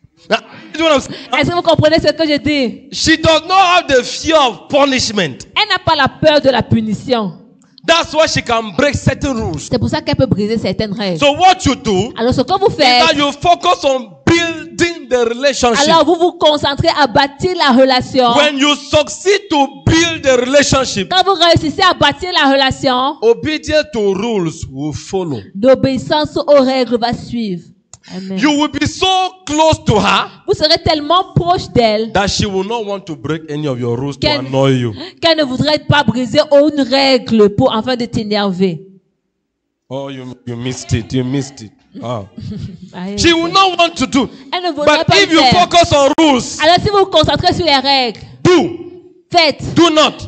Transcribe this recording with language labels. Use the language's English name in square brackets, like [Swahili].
[French] Est-ce que vous comprenez ce que je dis? [English] She does not have the fear of punishment. [French] Elle n'a pas la peur de la punition. [English] That's why she can break certain rules. [French] C'est pour ça qu'elle peut briser certaines règles. [English] So what you do? [French] Alors ce que vous faites? [English] That you focus on building the relationship. [French] Alors vous vous concentrez à bâtir la relation. [English] When you succeed to build the relationship. [French] Quand vous réussissez à bâtir la relation. [English] Obedience to rules will follow. [French] L'obéissance aux règles va suivre. Amen. [English] You will be so close to her. [French] Vous serez tellement proche d'elle. [English] That she will not want to break any of your rules to annoy you. [French] Qu'elle ne voudrait pas briser une règle pour afin de t'énerver. [English] Oh, you missed it. You missed it. Oh. She will not want to do. [French] Elle ne voudrait [English] pas. But if you focus on rules. [French] Alors si vous vous concentrez sur les règles. [English] Do. [French] Faites. [English] Do not.